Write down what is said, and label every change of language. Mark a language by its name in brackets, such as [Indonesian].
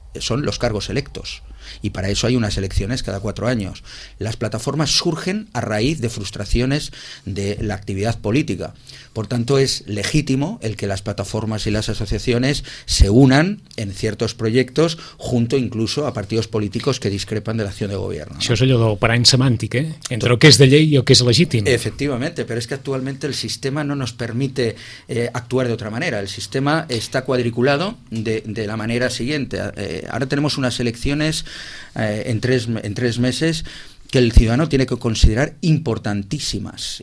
[Spanish] Son los cargos electos y para eso hay unas elecciones cada 4 años. Las plataformas surgen a raíz de frustraciones de la actividad política. Por tanto, es legítimo el que las plataformas y las asociaciones se unan en ciertos proyectos junto incluso a partidos políticos que discrepan de la acción de gobierno. [Catalan] Això és allò del parany semàntic, entre el que és de llei i el que és legítim. [Spanish] Efectivamente, pero es que actualmente el sistema no nos permite actuar de otra manera. El sistema está cuadriculado de la manera siguiente. Ahora tenemos unas elecciones en tres meses que el ciudadano tiene que considerar importantísimas.